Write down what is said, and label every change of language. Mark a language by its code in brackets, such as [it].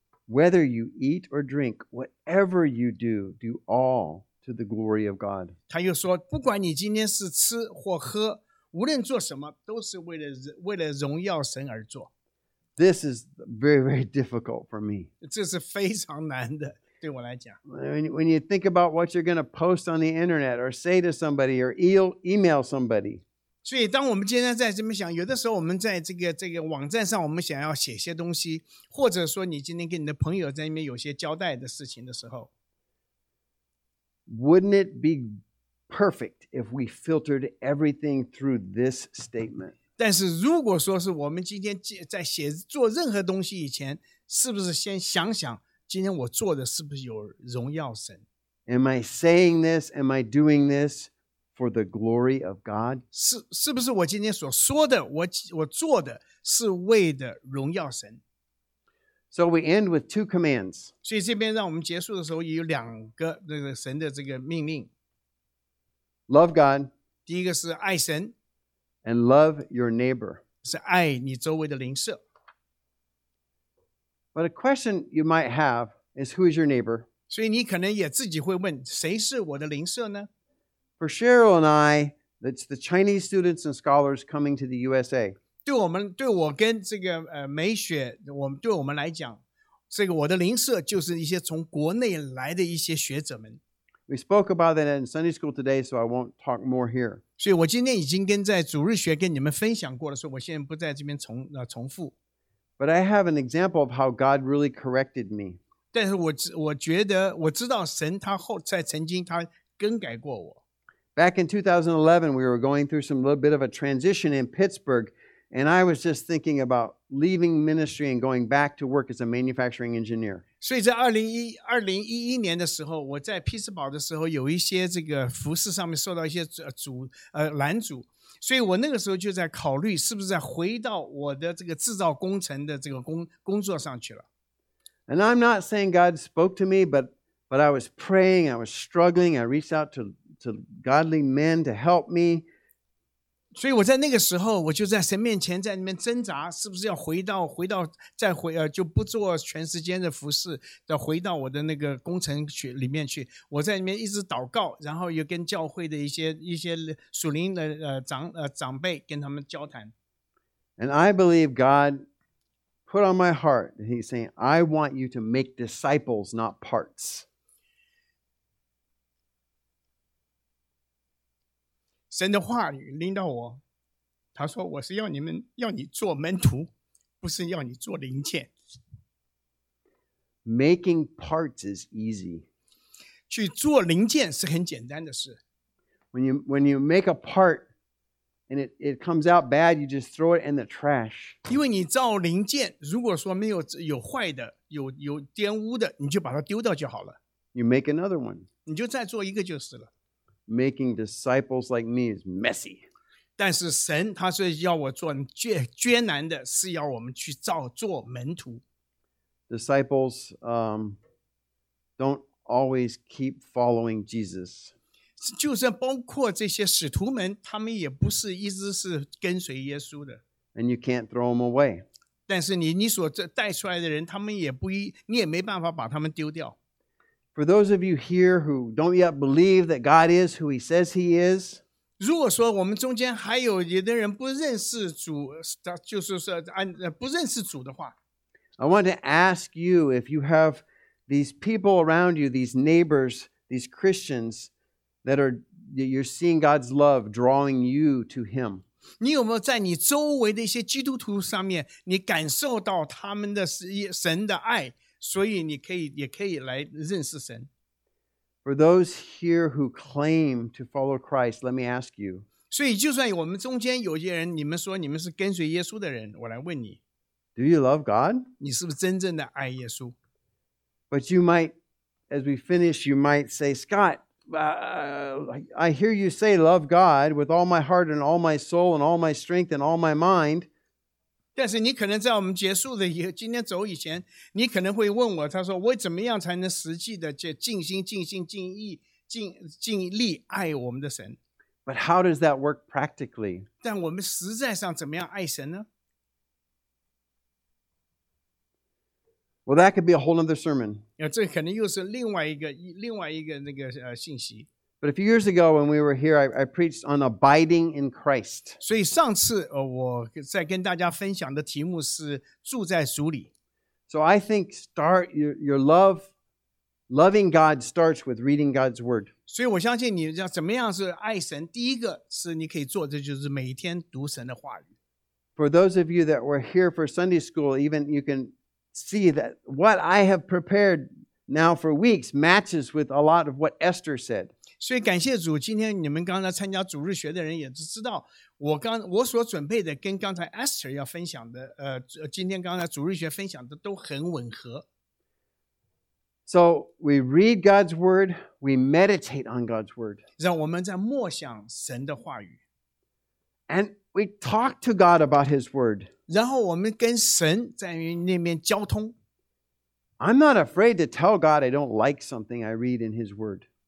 [en] Whether you eat or drink, whatever you do, do all to the glory of God. [zh] 他又说, 不管你今天是吃或喝, 无论做什么, 都是为了荣耀神而做。 [en] This is very, very difficult for me. [zh] 这是非常难的。 [en] When you think about what you're going to post on the internet or say to somebody or email somebody. [zh] 所以当我们今天在这么想有的时候我们在这个网站上我们想要写些东西或者说你今天跟你的朋友在那边有些交代的事情的时候。 [en] Wouldn't it be perfect if we filtered everything through this statement? [zh] 但是如果说是我们今天在写做任何东西以前是不是先想想今天我做的是不是有荣耀神 [en] Am I saying this? Am I doing this for the glory of God? [zh] 是不是我今天所说的 我做的是为的荣耀神 [en] So we end with two commands. [zh] 所以这边让我们结束的时候也有两个这个神的这个命令 [en] Love God. [zh] 第一个是爱神 [en] And love your neighbor. [zh] 是爱你周围的邻舍 [en] But a question you might have is, who is your neighbor? [zh] 所以你可能也自己会问，谁是我的邻舍呢？ [en] For Cheryl and I, it's the Chinese students and scholars coming to the USA. [zh] 对我跟这个美雪，对我们来讲，这个我的邻舍就是一些从国内来的一些学者们。 [en] We spoke about that in Sunday school today, so I won't talk more here. [zh] 所以我今天已经跟在主日学跟你们分享过了，所以我现在不在这边重复。 [en] But I have an example of how God really corrected me. [zh] 但是我觉得我知道神他后在曾经他更改过我。 [en] Back in 2011, we were going through some little bit of a transition in Pittsburgh, and I was just thinking about leaving ministry and going back to work as a manufacturing engineer. [zh] 所以在2011年的时候，我在匹兹堡的时候有一些这个服事上面受到一些拦阻。所以我那个时候就在考虑是不是在回到我的这个制造工程的这个工作上去了。 [en] And I'm not saying God spoke to me, but I was praying, I was struggling, I reached out to godly men to help me. [zh] 所以我在那个时候我就在神面前在那边挣扎是不是要回到再回就不做全时间的服事再回到我的那个工程里面去。我在里面一直祷告然后又跟教会的一些属灵的长辈跟他们交谈。 [en] And I believe God put on my heart, he's saying, I want you to make disciples, not parts. [zh] 神的话语领导我他说我是要你做门徒不是要你做零件。 [en] Making parts is easy. [zh] 去做零件是很简单的事。 [en] When you make a part and it comes out bad, you just throw it in the trash. [zh] 因为你造零件，如果说没有有坏的、有玷污的，你就把它丢掉就好了。 [en] You make another one. [zh] 你就再做一个就是了。 [en] Making disciples like me is messy. [zh] 但是神他是要我做艰难的，是要我们去造做门徒。 [en] Disciples, don't always keep following Jesus. [zh] 就算包括这些使徒们，他们也不是一直是跟随耶稣的。 [en] And you can't throw them away. [zh] 但是你所带出来的人，他们也不一，你也没办法把他们丢掉。 [en] For those of you here who don't yet believe that God is who He says He is, [zh] 如果说我们中间还有有的人不认识主，就是说不认识主的话。 [en] I want to ask you if you have these people around you, these neighbors, these Christians that are you're seeing God's love drawing you to Him. [zh] 你有没有在你周围的一些基督徒上面，你感受到他们的神的爱，所以你可以也可以来认识神。 [en] For those here who claim to follow Christ, let me ask you. [zh] 所以就算我们中间有些人，你们说你们是跟随耶稣的人，我来问你。 [en] Do you love God? [zh] 你是不是真正的爱耶稣? [en] But you might, as we finish, you might say, Scott, I hear you say love God with all my heart and all my soul and all my strength and all my mind. [zh] 但是你可能在我们结束的今天走以前，你可能会问我，他说我怎么样才能实际的尽心尽意爱我们的神? [en] But how does that work practically? [zh] 但我们实在上怎么样爱神呢? [en] Well, that could be a whole other sermon. [zh] 这可能又是另外一个那个信息。 [en] But a few years ago when we were here, I preached on abiding in Christ. [zh] 所以上次我在跟大家分享的题目是住在主里。 [en] So I think start your love, loving God starts with reading God's word. [zh] 所以我相信你要怎么样是爱神，第一个是你可以做的就是每天读神的话语。 [en] For those of you that were here for Sunday school, even you can see that what I have prepared now for weeks matches with a lot of what Esther said. [zh] 所以感谢主，今天你们刚才参加主日学的人也知道，我所准备的跟刚才 Esther 要分享的，今天刚才主日学分享的都很吻合。 [en] So we read God's word, we meditate on God's word. [zh] 让我们在默想神的话语。 [en] And we talk to God about His word. [zh] 然后我们跟神在那边交通。 [en] I'm not afraid to tell God I don't like something I read in His Word.